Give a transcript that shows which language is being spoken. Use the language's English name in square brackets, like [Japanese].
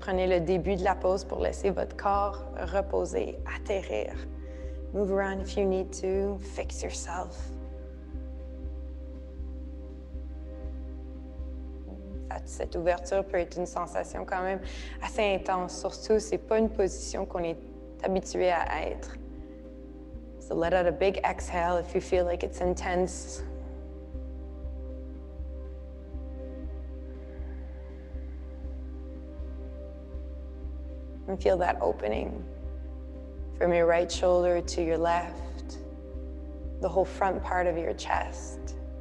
[French] Prenez le début de la pause pour laisser votre corps reposer, atterrir. [English] Move around if you need to, fix yourself. [French] Cette ouverture peut être une sensation quand même assez intense. Surtout, c'est pas une position qu'on est habitué à être. [English] So let out a big exhale if you feel like it's intense. And feel that opening from your right shoulder to your left, the whole front part of your chest.